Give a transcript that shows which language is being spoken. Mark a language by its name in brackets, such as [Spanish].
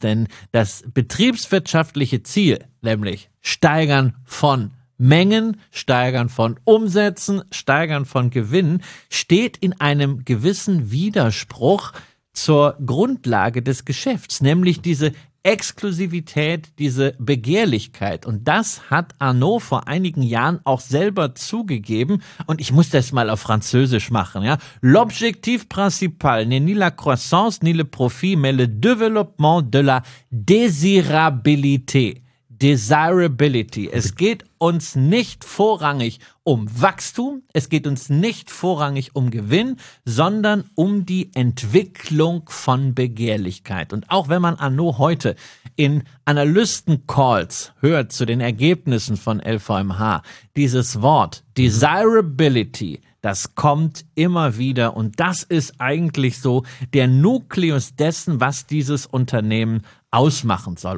[German] Denn das betriebswirtschaftliche Ziel, nämlich Steigern von Mengen, Steigern von Umsätzen, Steigern von Gewinnen, steht in einem gewissen Widerspruch zur Grundlage des Geschäfts, nämlich diese Exklusivität, diese Begehrlichkeit. Und das hat Arnaud vor einigen Jahren auch selber zugegeben. Und ich muss das mal auf Französisch machen, ja. [French] L'objectif principal n'est ni la croissance, ni le profit, mais le développement de la désirabilité. [English] Desirability. [German] Es geht uns nicht vorrangig um Wachstum, es geht uns nicht vorrangig um Gewinn, sondern um die Entwicklung von Begehrlichkeit. Und auch wenn man Arnaud heute in Analysten-Calls hört zu den Ergebnissen von LVMH, dieses Wort Desirability, das kommt immer wieder und das ist eigentlich so der Nukleus dessen, was dieses Unternehmen ausmachen soll.